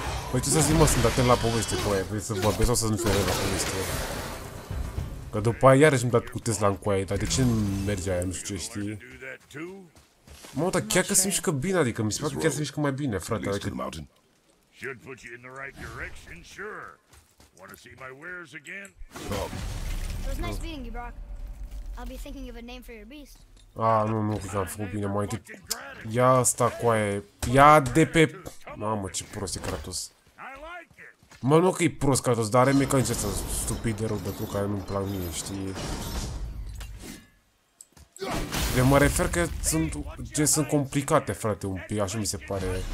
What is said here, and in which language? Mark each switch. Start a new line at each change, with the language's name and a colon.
Romanian: Păi ce să zic, mă, sunt atent la poveste, coaie, vrei să vorbesc sau să nu fie la poveste? Că după aia iarăși mi-a dat cu Tesla în coaie, dar de ce nu merge aia, nu știu ce știi? Mă, dar chiar că se mișcă bine, adică mi se pare că chiar se mișcă mai bine, frate, adică...
English: Should put you in the right direction, sure. Wanna see my wares again? It was nice meeting you, Brock. I'll be thinking of a name for your beast.
Romanian: Ah, nu, nu, că am făcut bine, mai întâi. Ia asta, coaie. Ia de pe... Mamă, ce prost e Kratos. Mă, nu că e prost Kratos, dar are mecanice astea stupid de rău de tu, care nu-mi plac mie, știi? De mă refer că sunt... Ce sunt complicate, frate, un pic, așa mi se pare.